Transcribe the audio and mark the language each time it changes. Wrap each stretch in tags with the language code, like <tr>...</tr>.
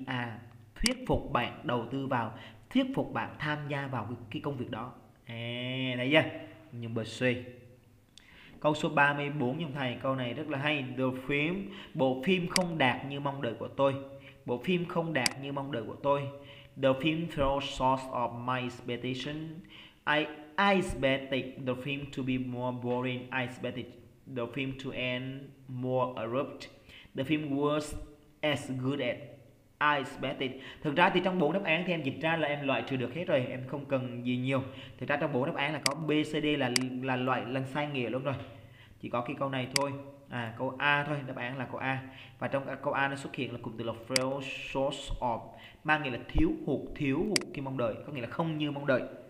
<vi>À, thuyết phục bạn đầu tư vào, thuyết phục bạn tham gia vào cái công việc đó. À, thấy chưa? Nhưng bởi suy. Câu số 34 nhưng thầy, câu này rất là hay. Bộ phim không đạt như mong đợi của tôi. Bộ phim không đạt như mong đợi của tôi.</vi> <en>The film fell short of my expectation. I expected the film to be more boring. I expected the film to end more abrupt. The film was as good as I expected.</en> <vi>Thực ra thì trong bốn đáp án thì em dịch ra là em loại trừ được hết rồi, em không cần gì nhiều. Thực ra trong bốn đáp án là có B, C, D là loại lần sai nghĩa luôn rồi. Chỉ có cái câu này thôi. À, câu A thôi, đáp án là câu A. Và trong câu A nó xuất hiện là cụm từ là fail short of, mang nghĩa là thiếu hụt cái mong đợi, có nghĩa là không như mong đợi.</vi>